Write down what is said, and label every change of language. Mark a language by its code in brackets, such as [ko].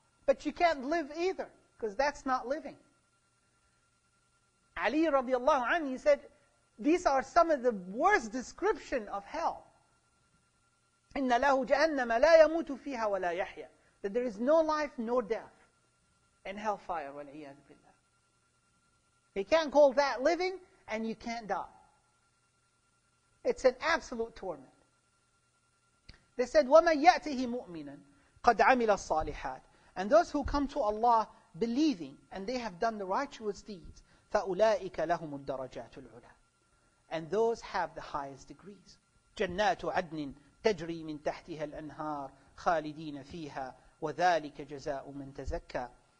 [en] But you can't live either, because that's not living. Ali radiallahu anhu, he said, these are some of the worst description of hell. [ar] إِنَّ لَهُ جَهَنَّمَ لَا يَمُوتُ فِيهَا وَلَا يَحْيَى. [en] That there is no life nor death in hellfire. [ar] وَالْعِيَادُ بِاللَّهِ. [en] You can't call that living and you can't die. It's an absolute torment. They said, [ar] وَمَنْ يَأْتِهِ مُؤْمِنًا قَدْ عَمِلَ الصَّالِحَاتِ. [en] And those who come to Allah believing and they have done the righteous deeds, [ar] فَأُولَٰئِكَ لَهُمُ الدَّرَجَاتُ الْعُلَىٰ. [en] And those have the highest degrees. [ar] جَنَّاتُ عَدْنٍ تَجْرِي مِنْ تَحْتِهَا الْأَنْهَارِ خَالِدِينَ فِيهَا وَذَٰلِكَ جَزَاءُ مَنْ تَزَكَّى.